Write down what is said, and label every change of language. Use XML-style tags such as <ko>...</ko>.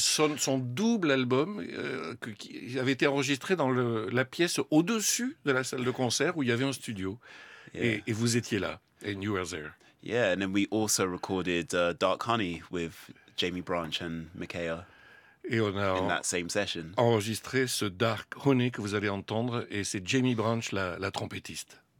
<fr>Son double album qui avait été enregistré dans la pièce au-dessus de la salle de concert où il y avait un studio.</fr> <en>Yeah.</en> <fr>Et vous étiez là,</fr> <en>and you were there. Yeah, and then we also recorded Dark Honey with Jamie Branch and Makaya.</en> <fr>Et on a</fr> <en>in that same session.</en> <fr>Enregistré ce Dark Honey que vous allez entendre, et c'est Jamie Branch, la trompettiste.</fr>